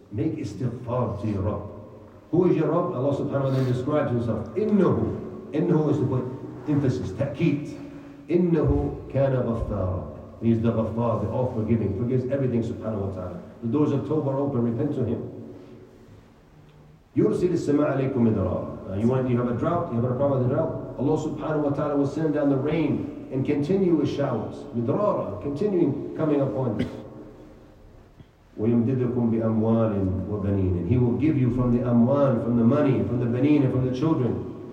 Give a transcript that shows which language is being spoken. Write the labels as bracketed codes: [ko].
[en] Make istighfar to your Rabb. Who is your Rabb? Allah subhanahu wa ta'ala describes himself. Innahu. [ar] إنه [en] is to put emphasis, [ar] تأكيد. إنه كان غفارا. [en] He is the غفار, the all forgiving, forgives everything subhanahu wa ta'ala. The doors of Tawbah are open, repent to him. [ar] يرسل السماء عليكم مدرارا. [en] You have a drought, you have a problem with the drought. Allah subhanahu wa ta'ala will send down the rain and continue with showers. [ar] مدرارا, [en] continuing coming upon you. [ar] وَيُمْدِدُكُمْ بِأَمْوَالٍ وَبَنِينٍ. [en] He will give you from the amwal, from the money, from the banin, from the children.